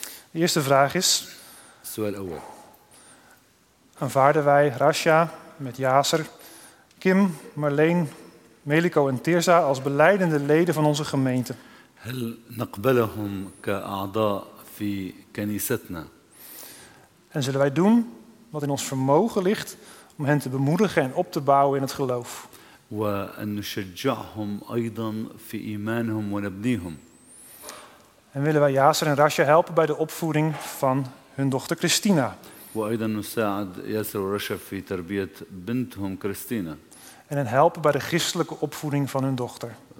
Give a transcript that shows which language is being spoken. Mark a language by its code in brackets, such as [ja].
[nl] De eerste vraag is, aanvaarden wij Rasha met Yasser, Kim, Marleen, Meliko en Tirza als beleidende leden van onze gemeente? [ar] هل نقبلهم كأعضاء في كنيستنا؟ [nl] En zullen wij doen wat in ons vermogen ligt om hen te bemoedigen en op te bouwen in het geloof. [ar] وأن نشجعهم أيضا في إيمانهم ونبنيهم. [nl] En willen wij Yasser en Rasha helpen bij de opvoeding van hun dochter Christina. [ar] وأيضا نساعد ياسر ورشا في تربية بنتهم كريستينا. [nl] En hen helpen bij de christelijke opvoeding van hun dochter.